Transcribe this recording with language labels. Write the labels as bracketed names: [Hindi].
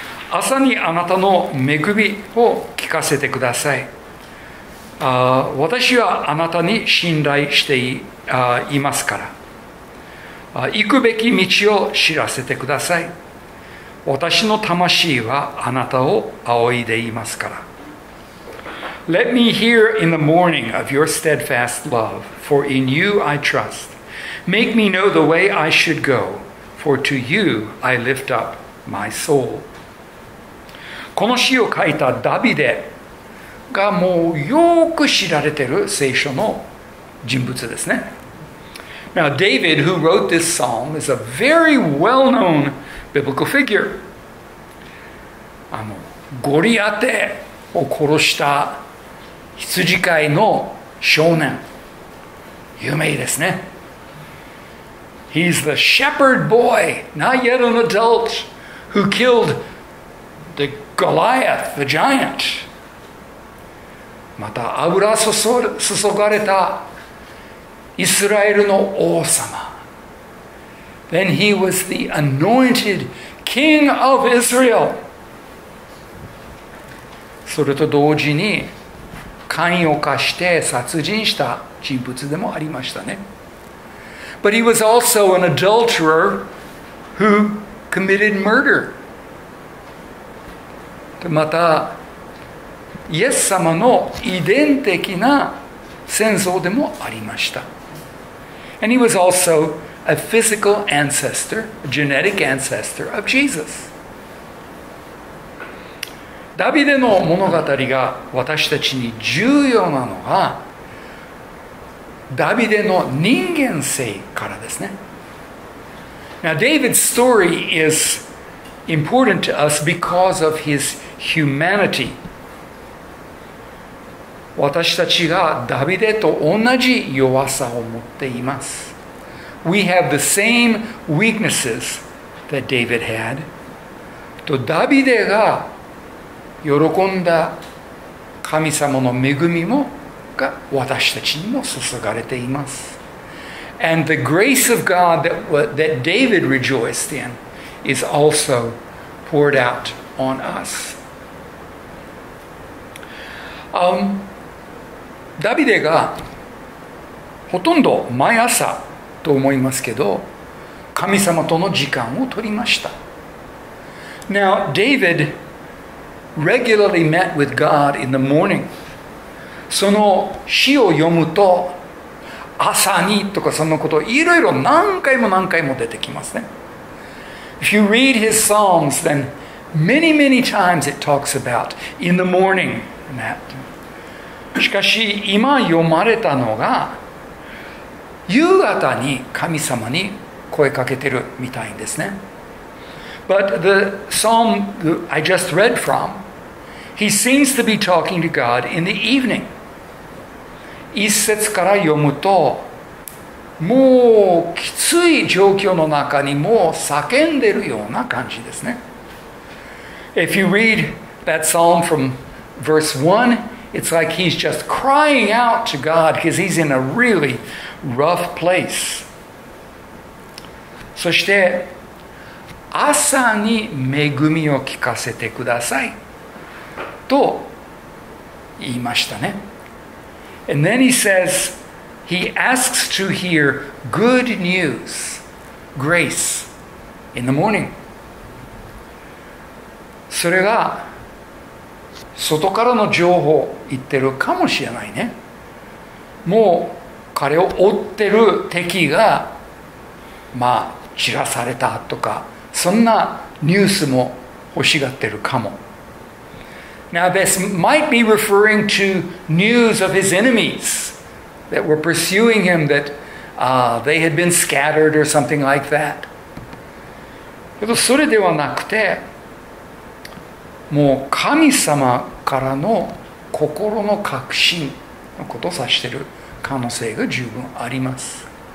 [Japanese] 朝にあなたの恵みを聞かせてください。私はあなたに信頼して いますから。行くべき道を知らせてください。私の魂はあなたを仰いでいますから。 [English] Let me hear in the morning of your steadfast love, for in you I trust. Make me know the way I should go. For to you I lift up my soul. [Japanese] この詩を書いたダビデがもうよく知られてる聖書の人物ですね。 [English] Now David, who wrote this psalm, is a very well-known biblical figure. [Japanese] あのゴリアテを殺した羊飼いの少年、有名ですね。 [English] He's the shepherd boy, not yet an adult, who killed the Goliath, the giant. [Japanese] また油注がれたイスラエルの王様。 [English] Then he was the anointed king of Israel. [Japanese] それと同時に、姦を犯して殺人した人物でもありましたね。 [English] But he was also an adulterer who committed murder. [Japanese] また、イエス様の遺伝的な戦争でもありました。 [English] And he was also a physical ancestor, a genetic ancestor of Jesus. [Japanese] ダビデの物語が私たちに重要なのはダビデの人間性からですね。 [English] Now David's story is important to us because of his humanity. [Japanese] 私たちがダビデと同じ弱さを持っています。 [English] We have the same weaknesses that David had. [Japanese] とダビデが喜んだ神様の恵みもが私たちにも注がれています。 [English] And the grace of God that David rejoiced in is also poured out on us. [Japanese] ダビデがほとんど毎朝と思いますけど、神様との時間を取りました。 [English] Now, David regularly met with God in the morning. [Japanese] その詩を読むと、朝にとかそのこと、いろいろ何回も何回も出てきますね。 [English] If you read his Psalms, then many, many times it talks about in the morning. That. [Japanese] しかし今読まれたのが夕方に神様に声かけてるみたいですね。 [English] But the Psalm I just read from, he seems to be talking to God in the evening. [Japanese] 一節から読むと、もうきつい状況の中にもう叫んでるような感じですね。 [English] If you read that psalm from verse 1, it's like he's just crying out to God because he's in a really rough place. [Japanese] そして、朝に恵みを聞かせてくださいと言いましたね。 [English] And then he says,He asks to hear good news, grace, in the morning. [Japanese] それが外からの情報言ってるかもしれないね。もう彼を追ってる敵が、まあ、散らされたとか、そんなニュースも欲しがってるかも。 [English] Now this might be referring to news of his enemies. That were pursuing him, that they had been scattered or something like that. But [Japanese] それではなくて、もう神様からの心の確信のことを指している可能性が十分あります。